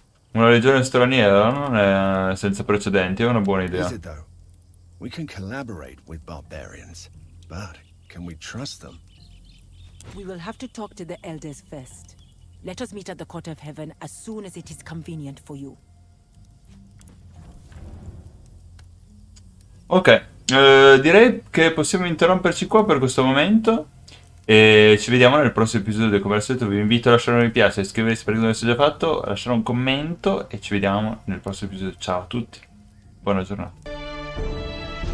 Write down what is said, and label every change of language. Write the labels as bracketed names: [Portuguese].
[Italian] Una legione straniera non è senza precedenti, è una buona idea. [English] Is it though? We can collaborate with barbarians, but can we trust them? We will have to talk to the elders first. Let us meet at the Court of Heaven as soon as it is convenient for you. [Italian] Ok, direi che possiamo interromperci qua per questo momento. E ci vediamo nel prossimo episodio. Come al solito, vi invito a lasciare un mi piace, iscrivervi se per esempio non l'avete già fatto, a lasciare un commento. E ci vediamo nel prossimo episodio. Ciao a tutti, buona giornata.